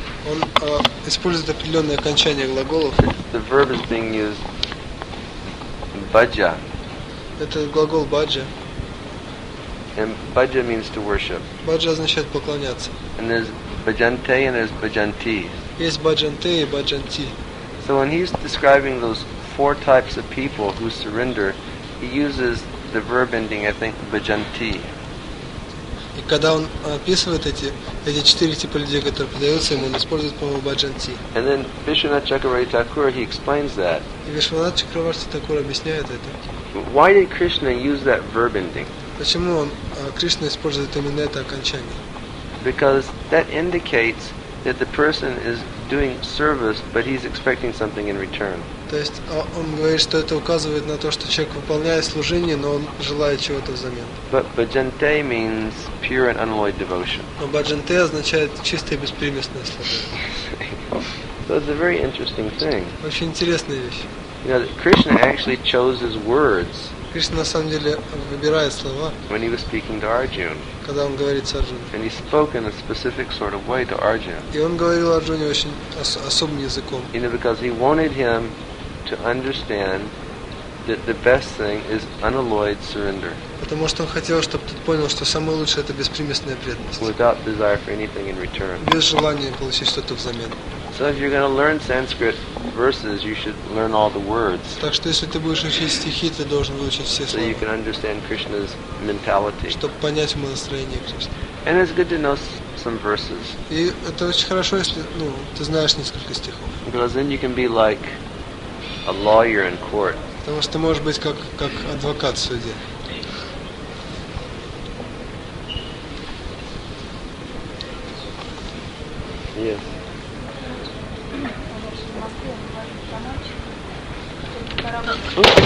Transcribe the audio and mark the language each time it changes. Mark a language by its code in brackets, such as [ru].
[ru] Он использует определенное окончание глаголов. [en] The verb is being used bhaja. [ru] Это глагол баджа. [en] And баджа means to worship. [ru] Баджа означает поклоняться. [en] And there's баджанте and there's баджанти. [ru] Есть баджанте и баджанти. [en] So when he's describing those four types of people who surrender, he uses the verb ending, I think, баджанти. [ru] И когда он описывает эти четыре типа людей, которые предаются ему, он использует, по-моему, баджанти. [en] And then Vishwanath Chakravarti Thakur, he explains that. [ru] И Вишванат Чакраварти Такур объясняет это. [en] Why did Krishna use that verb ending? [ru] Почему он Кришна использует именно это окончание? [en] Because that indicates that the person is doing service, but he's expecting something in return. [ru] То есть он говорит, что это указывает на то, что человек выполняет служение, но он желает чего-то взамен. [en] But bhajante means pure and unalloyed devotion. [ru] Но bhajante означает чистое беспримесное служение. [en] So it's a very interesting thing. [ru] Очень интересная вещь. [en] You know, Krishna actually chose his words. [ru] Кришна на самом деле выбирает слова. [en] When he was speaking to Arjuna. [ru] Когда он говорит с Арджуной. [en] And he spoke in a specific sort of way to Arjuna. [ru] И он говорил Арджуне очень особым языком. [en] You know, because he wanted him to understand that the best thing is unalloyed surrender. [ru] Потому что он хотел, чтобы тот понял, что самое лучшее это беспримесная преданность. [en] Without desire for anything in return. [ru] Без желания получить что-то взамен. [en] So if you're going to learn Sanskrit verses, you should learn all the words. [ru] Так что если ты будешь учить стихи, ты должен выучить все слова. [en] So you can understand Krishna's mentality. [ru] Чтобы понять умонастроение Кришны. [en] And it's good to know some verses. [ru] И это очень хорошо, если ты знаешь несколько стихов. [en] Because then you can be like a lawyer in court. [ru] Потому что ты можешь быть как адвокат в суде. [en] Yes. Oops.